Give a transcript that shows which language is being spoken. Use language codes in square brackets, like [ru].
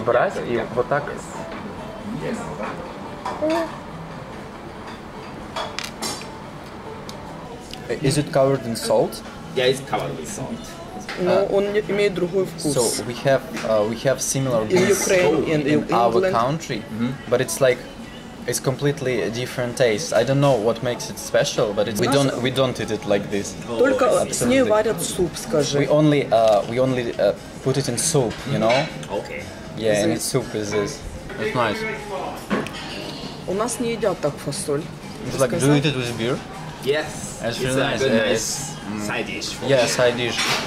[ru] Брать и вот так. [en] Yes. Is it covered in salt? Yeah, it's covered with salt. [ru] Но он не имеет другой вкус. [en] So we have similar beans in our country, mm-hmm. But it's like it's completely a different taste. I don't know what makes it special, but it's we don't eat it like this. [ru] Только с ней варят суп, скажи. [en] We only put it in soup, you know. Okay. Yeah, and soup is this. It's nice. [ru] У нас не едят так фасоль. [en] It's like do you eat it with beer? Yes. It's really nice. Side dish.